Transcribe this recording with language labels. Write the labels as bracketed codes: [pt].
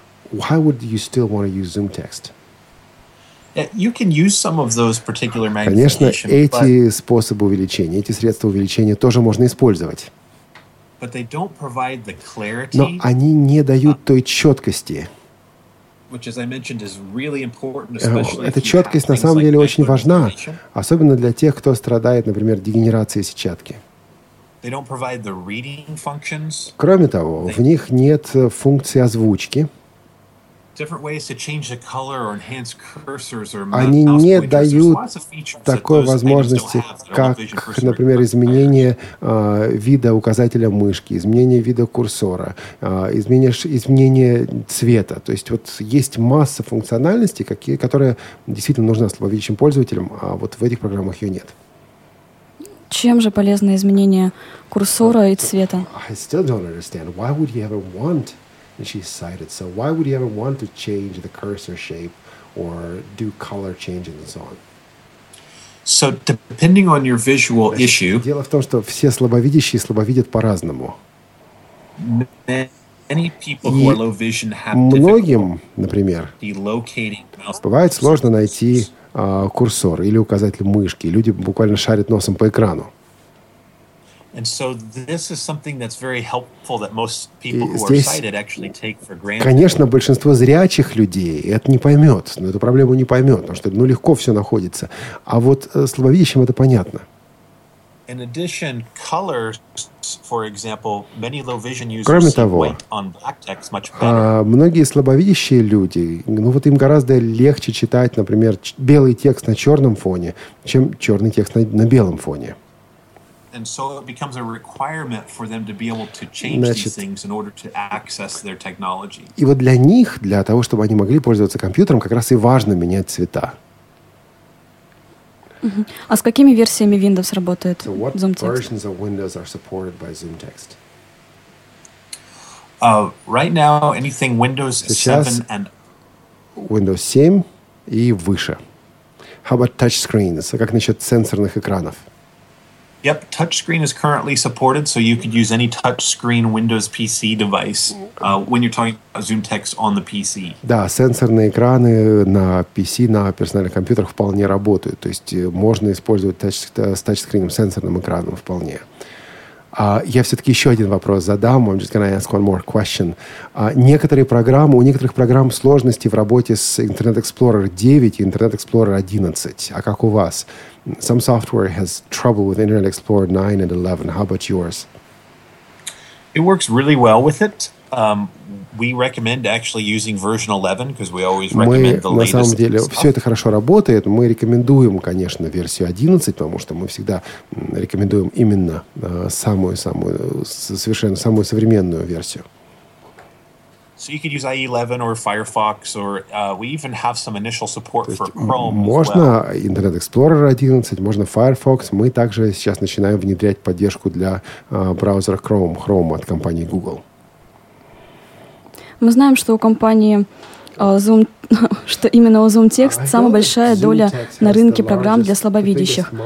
[en] Why would you still want to use ZoomText? You can use some of those particular magnification. [ru] Конечно, эти способы увеличения, эти средства увеличения тоже можно использовать. [en] But they don't provide the clarity. [ru] Но они не дают той четкости. [en] Which, as I mentioned, is really important, [ru] эта четкость на самом деле очень важна, особенно для тех, кто страдает, например, дегенерацией сетчатки. [en] They don't provide the reading functions. [ru] Кроме того, в них нет функции озвучки. [en] Different ways to change the color or enhance cursors or [ru] они не дают такой возможности, как, например, изменение вида указателя мышки, изменение вида курсора, изменение цвета. То есть вот есть масса функциональностей, которые действительно нужны слабовидящим пользователям, а вот в этих программах ее нет. Чем же полезны изменения курсора и цвета? [en] I still don't understand. Why would you ever want? And she's sighted. So why would you ever want to change the cursor shape or do color changes and so on? So depending on your visual issue. [ru] Дело в том, что все слабовидящие слабовидят по-разному. [en] Many people who are low vision have difficulty. [ru] Многим, например, бывает сложно найти курсор или указатель мышки. Люди буквально шарят носом по экрану. [en] And so this is something that's very helpful that most people who are sighted actually take for granted. [ru] Конечно, большинство зрячих людей это не поймет, но эту проблему не поймет, потому что легко все находится. А вот слабовидящим это понятно. [en] In addition, colors, for example, many low vision users [ru] Кроме того, [en] see white on black text much better. [ru] Многие слабовидящие люди, ну вот им гораздо легче читать, например, белый текст на черном фоне, чем черный текст на белом фоне. [en] And so it becomes a requirement for them to be able to change these things in order to access their technology. [ru] И вот для них, для того, чтобы они могли пользоваться компьютером, как раз и важно менять цвета. А с какими версиями Windows работает ZoomText? [en] So what versions of Windows are supported by ZoomText? Right now, anything Windows 7 and [ru] Windows 7 и выше. [en] How about touchscreens? [ru] А как насчет сенсорных экранов? [en] Yep, touchscreen is currently supported, so you could use any touchscreen Windows PC device when you're talking about Zoom Text on the PC. [ru] Да, сенсорные экраны на PC, на персональных компьютерах вполне работают. То есть можно использовать touchscreen, сенсорным экраном вполне. Я все-таки еще один вопрос задам. [en] I'm just going to ask one more question. [ru] Некоторые программы, у некоторых программ сложности в работе с Internet Explorer 9 и Internet Explorer 11. А как у вас? [en] Some software has trouble with Internet Explorer 9 and 11. How about yours? It works really well with it. We recommend actually using version 11 because we always recommend the latest. [ru] На самом деле, все это хорошо работает. Мы рекомендуем, конечно, версию 11, потому что мы всегда рекомендуем именно самую современную версию. [en] So you could use IE11 or Firefox, or we even have some initial support for Chrome. [ru] Можно Internet Explorer 11, можно Firefox. Мы также сейчас начинаем внедрять поддержку для браузера Chrome от компании Google. Мы знаем, что у компании Zoom, что именно у Zoom Text самая большая доля на рынке программ для слабовидящих.